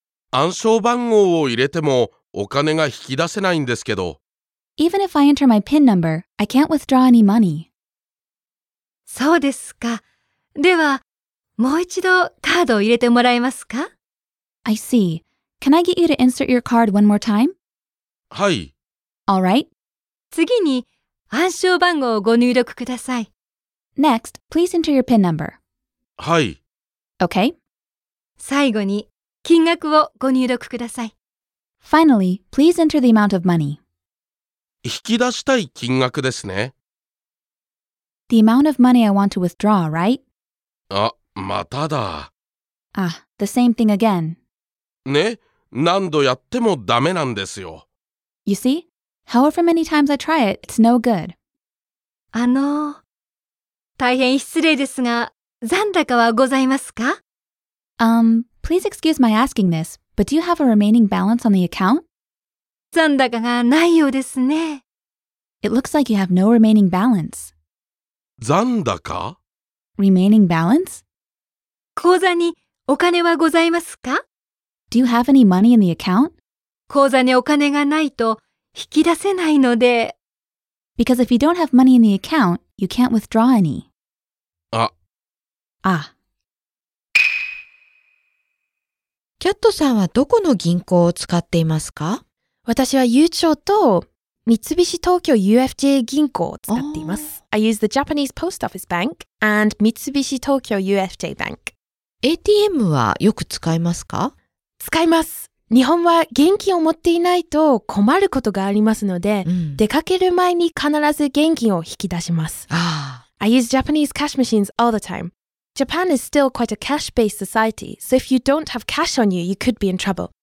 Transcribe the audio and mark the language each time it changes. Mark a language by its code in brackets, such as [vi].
[ja] 暗証番号を入れてもお金が引き出せないんですけど。 [en] Even if I enter my PIN number, I can't withdraw any money. [ja] そうですか。ではもう一度カードを入れてもらえますか？ [en] I see. Can I get you to insert your card one more time? [ja] はい。 [en] All right. [ja] 次に暗証番号をご入力ください。 [en] Next, please enter your PIN number. [ja] はい。 [en] Okay. [ja] 最後に金額をご入力ください。 [en] Finally, please enter the amount of money. [ja] 引き出したい金額ですね。 [en] The amount of money I want to withdraw, right? [ja] あ、まただ。 [en] The same thing again. [ja] ね、何度やってもダメなんですよ。 [en] You see? However many times I try it, it's no good. [ja] 大変失礼ですが、残高はございますか? [en] Please excuse my asking this, but do you have a remaining balance on the account? [ja] 残高がないようですね。 [en] It looks like you have no remaining balance. [ja] 残高? [en] Remaining balance? [ja] 口座にお金はございますか? [en] Do you have any money in the account? [ja] 口座にお金がないと引き出せないので。 [en] Because if you don't have money in the account, you can't withdraw any. [ja] あ。キャットさんはどこの銀行を使っていますか? 私はゆうちょと三菱東京 UFJ 銀行を使っています。 [en] I use the Japanese Post Office Bank and 三菱東京 UFJ Bank. [ja] ATM はよく使いますか? 使います。日本は現金を持っていないと困ることがありますので、出かける前に必ず現金を引き出します。ああ。 [en] I use Japanese cash machines all the time. Japan is still quite a cash-based society, so if you don't have cash on you, you could be in trouble.